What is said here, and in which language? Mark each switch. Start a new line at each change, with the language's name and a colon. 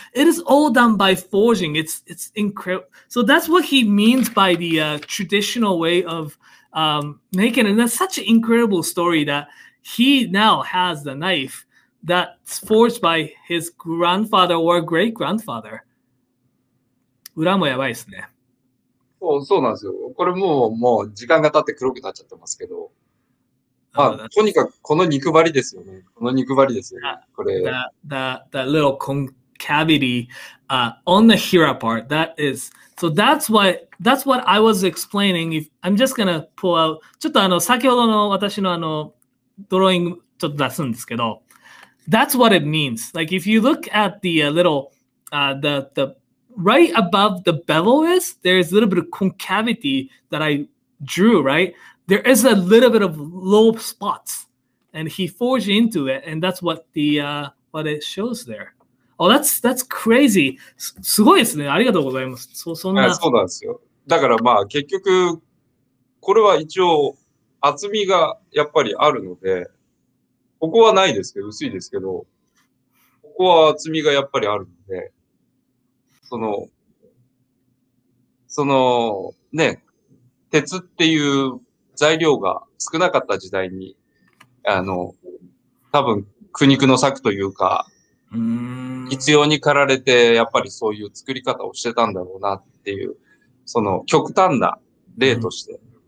English: It is all done by forging. It's incredible. So that's what he means by the traditional way of. Making it. And that's such an incredible story that he now has the knife that's forged by his grandfather or great grandfather.
Japanese: 裏もやばいですね。そう、そうなんですよ。これもう時間が経って黒くなっちゃってますけど。まあ、とにかくこの肉張りですよね。この肉張りですよ。これ。
English: That little concavity, on the hira part, that is. So that's what I was explaining. If I'm just gonna pull out,
Japanese: ちょっと先ほどの私のドローイングちょっと出すんですけど、
English: that's what it means. Like if you look at the little, the right above the bevel is, there is a little bit of concavity that I drew, right? There is a little bit of low spots, and he forged into it, and that's what what it shows there. Oh, that's crazy.
Japanese: すごいですね。ありがとうございます。そんな。そうなんですよ。だからまあ結局、これは一応厚みがやっぱりあるので、ここはないですけど、薄いですけど、ここは厚みがやっぱりあるので、ね、鉄っていう材料が少なかった時代に、多分苦肉の策というか、必要に駆られて、やっぱりそういう作り方をしてたんだろうなっていう、その極端な例として。